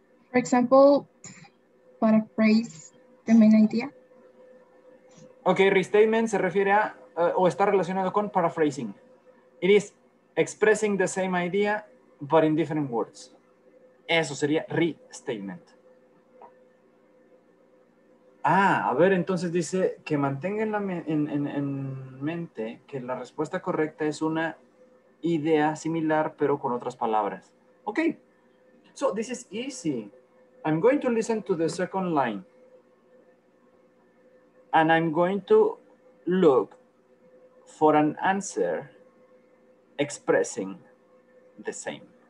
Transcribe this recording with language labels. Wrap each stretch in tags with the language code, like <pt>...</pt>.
<en>For example, paraphrase the main idea.</en> <es>Okay, restatement se refiere a o está relacionado con paraphrasing.</es> <en>It is expressing the same idea, but in different words.</en> <es>Eso sería restatement. A ver, entonces dice que mantengan en mente que la respuesta correcta es una idea similar, pero con otras palabras.</es> <en>Ok. So, this is easy. I'm going to listen to the second line. And I'm going to look for an answer expressing the same.</en>